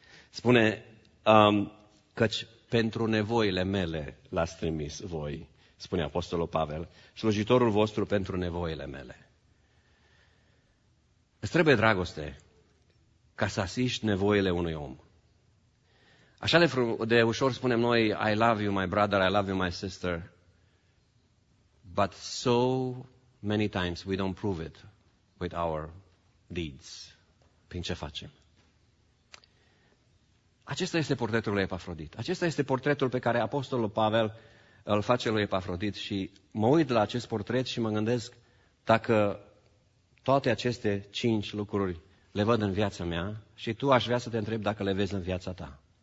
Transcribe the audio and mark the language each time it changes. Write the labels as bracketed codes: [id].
[ro] Spune, căci pentru nevoile mele l-ați trimis voi, spune Apostolul Pavel, slujitorul vostru pentru nevoile mele. Îți trebuie dragoste ca să asiști nevoile unui om. Așa de ușor spunem noi, [en] I love you my brother, I love you my sister, but so many times we don't prove it with our deeds. [ro] Prin ce facem? Acesta este portretul lui Epafrodit. Acesta este portretul pe care Apostolul Pavel îl face lui Epafrodit și mă uit la acest portret și mă gândesc dacă toate aceste 5 lucruri le văd în viața mea și tu aș vrea să te întreb dacă le vezi în viața ta.